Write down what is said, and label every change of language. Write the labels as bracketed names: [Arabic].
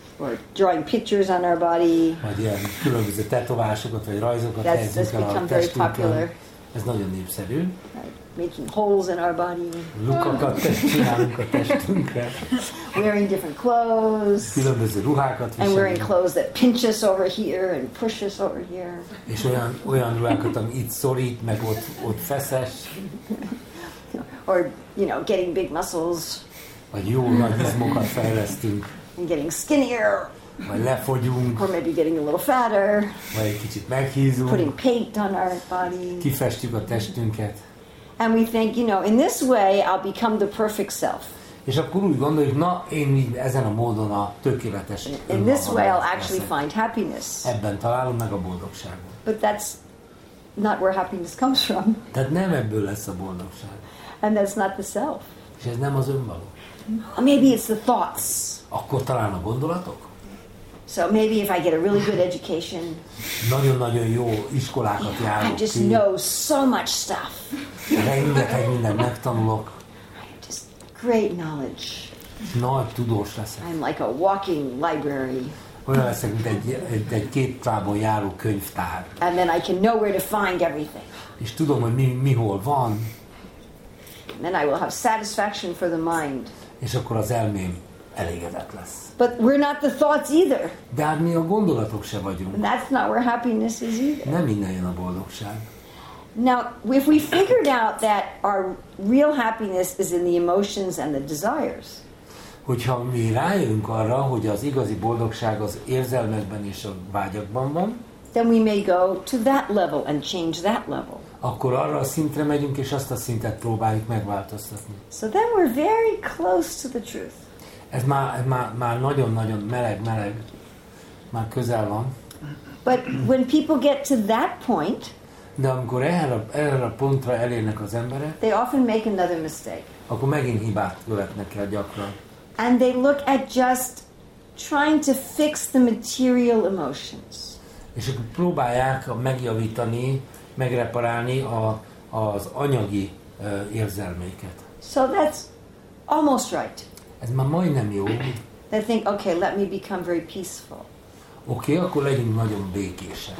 [English] Or drawing pictures on our body. [Hungarian] Vagy ilyen különböző tetovásokat, vagy rajzokat helyezünk el a testünkön. Ez nagyon népszerű. [English] Making holes in our body. [Hungarian] Lukakat csinálunk a testünkre. [English] Wearing different clothes. [Hungarian] Különböző ruhákat viselünk. [English] And wearing clothes that pinch us over here and push us over here. [Hungarian] És olyan ruhákat, ami itt szorít, meg ott feszes. [English] Or, you know, getting big muscles. [Hungarian] Vagy jó nagy izmokat fejlesztünk. [English] And getting skinnier. [Hungarian] Vagy lefogyunk. [English] Or maybe getting a little fatter. [Hungarian] Vagy egy kicsit meghízunk. [English] Putting paint on our body. [Hungarian] Kifestjük a testünket. [English] And we think, you know, in this way I'll become the perfect self. [Hungarian] És akkor úgy gondoljuk, na, én ezen a módon a tökéletes önmagam lesz. [English] In this way I'll actually find happiness. [Hungarian] Ebben találom meg a boldogságot. [English] But that's not where happiness comes from. [Hungarian] Tehát nem ebből lesz a boldogság. [English] And that's not the self. [Hungarian] És ez nem az önmaga. [English] Maybe it's the thoughts. [Hungarian] Akkor talán a gondolatok? [English] So maybe if I get a really good education. [Hungarian] Nagyon-nagyon jó iskolákat járok. [English] I just know so much stuff. [Hungarian] Rengeteg mindent megtanulok. [English] Just great knowledge. [Hungarian] Nagy tudós leszek. [English] I'm like a walking library. [Hungarian] Olyan leszek, mint egy képtárban járó könyvtár. [English] And then I can know where to find everything. [Hungarian] És tudom, hogy mi hol van. [English] And then I will have satisfaction for the mind. [Hungarian] És akkor az elmém elégedett lesz. [English] But we're not the thoughts either. [Hungarian] De hát mi a gondolatok se vagyunk. [English] And that's not where happiness is either. [Hungarian] Nem innen jön a boldogság. [English] Now, if we figured out that our real happiness is in the emotions and the desires. [Hungarian] Hogyha mi rájövünk arra, hogy az igazi boldogság az érzelmekben és a vágyakban van. [English] Then we may go to that level and change that level. [Hungarian] Akkor arra a szintre megyünk és azt a szintet próbáljuk megváltoztatni. [English] So then we're very close to the truth. [Hungarian] Ez már nagyon-nagyon meleg, már közel van. [English] But when people get to that point, [Hungarian] de amikor erre a pontra elérnek az emberek, [English] they often make another mistake. [Hungarian] Akkor megint hibát követnek el gyakran. [English] And they look at just trying to fix the material emotions. [Hungarian] És akkor próbálják megjavítani, megreparálni az anyagi érzelméket. [English] So that's almost right. [Hungarian] Ez már majdnem jó. [English] They think, okay, let me become very peaceful. [Hungarian] Okay, akkor legyünk nagyon békések.